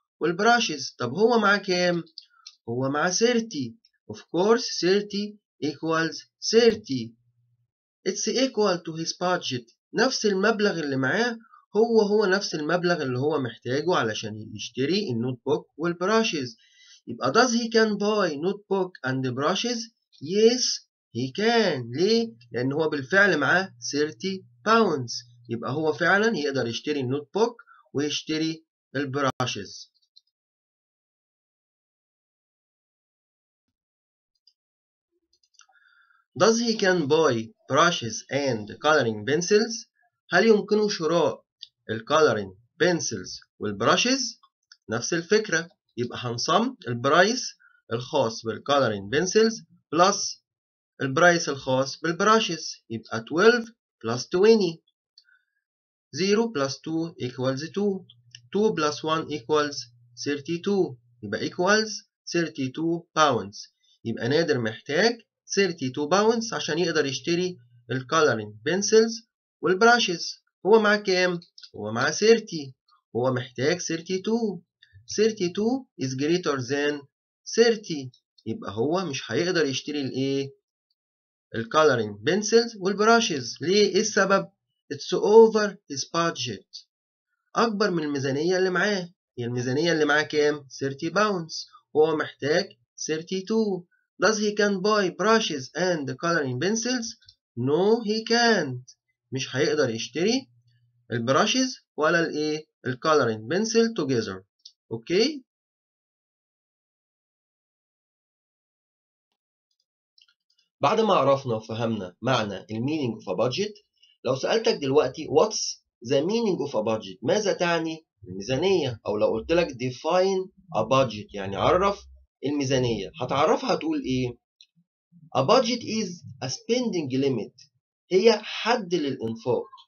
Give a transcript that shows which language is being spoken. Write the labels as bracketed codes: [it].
[ar] والبراشز. طب هو مع كام؟ هو مع 30. [en] Of course 30 equals 30. It's equal to his budget. [ar] نفس المبلغ اللي معاه هو نفس المبلغ اللي هو محتاجه علشان يشتري النوتبوك والبراشز. يبقى [en] does he can buy notebook and brushes? Yes he can. [ar] ليه؟ لأن هو بالفعل معاه [en] 30 pounds. [ar] يبقى هو فعلا يقدر يشتري النوتبوك ويشتري البراشز. [en] Does he can buy brushes and coloring pencils? [ar] هل يمكنه شراء الكالرين بنسلز والبراشز؟ نفس الفكرة، يبقى هنصم البرايس الخاص بالكالرين بنسلز بلس البرايس الخاص بالبراشز، يبقى 12 بلس 20. [en] 0 plus 2 equals 2. 2 plus 1 equals 32. [ar] يبقى [en] equals 32 pounds. [ar] يبقى نادر محتاج [en] 32 pounds [ar] عشان يقدر يشتري الكالرين بنسلز والبراشز. هو مع كام؟ هو مع 30. هو محتاج 32. [en] 32 is greater than 30. [ar] يبقى هو مش هيقدر يشتري الايه؟ الكالرينج بنسلز والبراشز. ليه؟ السبب؟ [en] It's over his budget. [ar] اكبر من الميزانية اللي معاه. هي الميزانية اللي معاه كام؟ 30 pounds. هو محتاج 32. [en] Does he can buy brushes and coloring pencils? No he can't. [ar] مش هيقدر يشتري البراشز ولا الايه [en] الكالرين pencil together. [ar] اوكي، بعد ما عرفنا وفهمنا معنى [en] المينينج of a budget, [ar] لو سالتك دلوقتي [en] what's the meaning of a budget, [ar] ماذا تعني الميزانيه؟ او لو قلت لك [en] define a budget, [ar] يعني عرف الميزانيه، هتعرفها تقول ايه؟ [en] a budget is a spending limit, [ar] هي حد للانفاق.